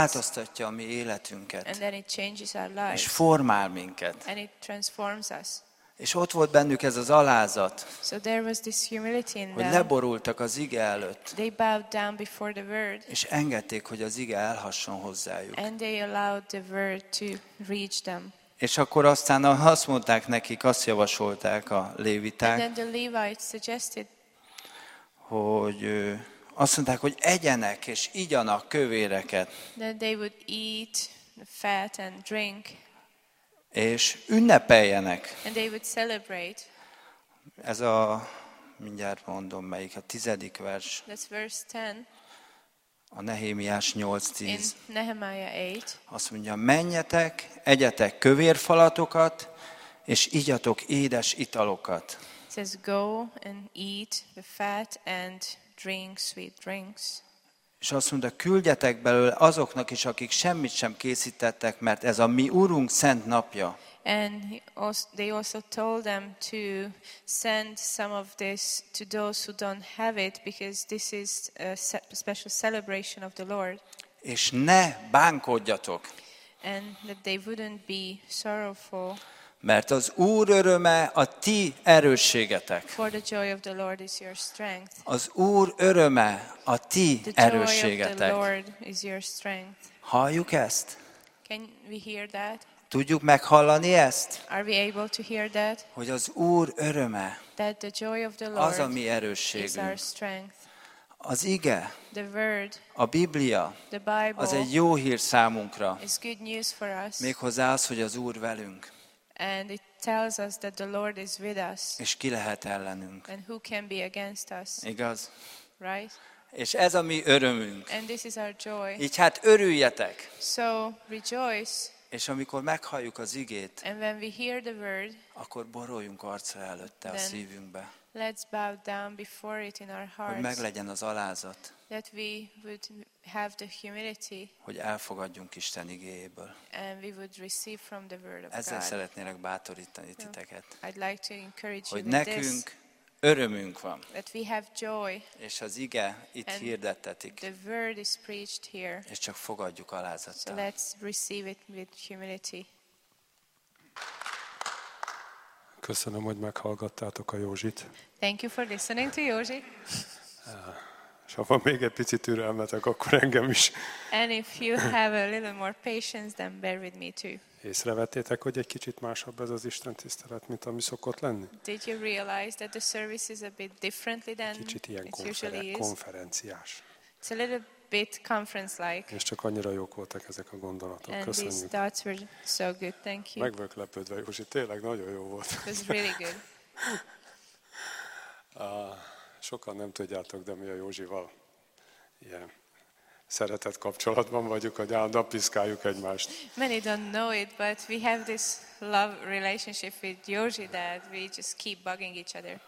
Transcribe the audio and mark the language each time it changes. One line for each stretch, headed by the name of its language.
Hungarian: változtatja a mi életünket.
English: And then it changes our lives.
Hungarian: És formál minket.
English: And it transforms us.
Hungarian: És ott volt bennük ez az alázat,
English: so there was this humility in
Hungarian: hogy
English: them.
Hungarian: Leborultak az ige előtt,
English: they bowed down before the word,
Hungarian: és engedték, hogy az ige elhasson hozzájuk.
English: And they allowed the word to reach them.
Hungarian: És akkor aztán azt mondták nekik, azt javasolták a léviták,
English: and then the Levites suggested,
Hungarian: hogy azt mondták, hogy egyenek és igyanak kövéreket.
English: That they would eat fat and drink.
Hungarian: És ünnepeljenek.
English: And they would celebrate.
Hungarian: Ez a, mindjárt mondom, melyik a tizedik vers.
English: That's verse 10.
Hungarian: A Nehémiás 8:10.
English: In Nehemiah 8.
Hungarian: Azt mondja, menjetek, egyetek kövérfalatokat, és igyatok édes italokat.
English: It says, go and eat the fat and drink sweet drinks.
Hungarian: És azt mondta, küldjetek belőle azoknak is, akik semmit sem készítettek, mert ez a mi Urunk szent napja.
English: And they also told them to send some of this to those who don't have it, because this is a special celebration of the Lord.
Hungarian: És ne bánkodjatok.
English: And that they wouldn't be sorrowful.
Hungarian: Mert az Úr öröme a ti erősségetek.
English: For the joy of the Lord is your strength.
Hungarian: Az Úr öröme a ti erősségetek.
English: The joy of the Lord is your strength.
Hungarian: Halljuk ezt?
English: Can we hear that?
Hungarian: Tudjuk meghallani ezt?
English: Are we able to hear that?
Hungarian: Hogy az Úr öröme
English: that the joy of the Lord
Hungarian: az a mi erősségünk.
English: Is our strength.
Hungarian: Az ige,
English: the word,
Hungarian: a Biblia,
English: the Bible,
Hungarian: az egy jó hír számunkra.
English: Is good news for us.
Hungarian: Méghozzá az, hogy az Úr velünk.
English: And it tells us that the Lord is with us.
Hungarian: És ki lehet ellenünk?
English: And who can be against us?
Hungarian: Igaz?
English: Right?
Hungarian: És ez a mi örömünk.
English: And this is our joy.
Hungarian: Így hát örüljetek.
English: So rejoice.
Hungarian: És amikor meghalljuk az igét,
English: and when we hear the word,
Hungarian: akkor boruljunk arcra előtte a szívünkbe.
English: Let's bow down before it in our hearts.
Hungarian: Hogy meglegyen az alázat.
English: That we would have the humility,
Hungarian: hogy elfogadjunk Isten igéből.
English: And we would receive from the word of
Hungarian: ezzel
English: God.
Hungarian: Szeretnélek bátorítani titeket.
English: I'd like to encourage
Hungarian: hogy
English: you
Hungarian: nekünk
English: this,
Hungarian: örömünk van.
English: That we have joy.
Hungarian: És az ige itt
English: and
Hungarian: hirdettetik.
English: The word is preached here.
Hungarian: És csak fogadjuk alázattal.
English: So let's receive it with humility.
Hungarian: Köszönöm, hogy meghallgattátok a Józsit.
English: Thank you for listening to Józsi.
Hungarian: És ha van még egy picit türelmetek, akkor engem is.
English: And if you have a little more patience, then bear with me too.
Hungarian: Észrevettétek, hogy egy kicsit másabb ez az Isten tisztelet, mint ami szokott lenni?
English: Did you realize that the service is a bit differently than it usually is?
Hungarian: Konferenciás.
English: It's a little bit conference-like.
Hungarian: És csak annyira jók voltak ezek a gondolatok.
English: And
Hungarian: köszönjük.
English: These thoughts were so good. Thank you.
Hungarian: Meg vagyok lepődve, Józsi, tényleg nagyon jó volt.
English: It was really good.
Hungarian: Sokan nem tudjátok, de mi a Józsival ilyen szeretett kapcsolatban vagyunk, hogy állandóan piszkáljuk egymást.
English: Many don't know it, but we have this love relationship with Józsi, that we just keep bugging each other.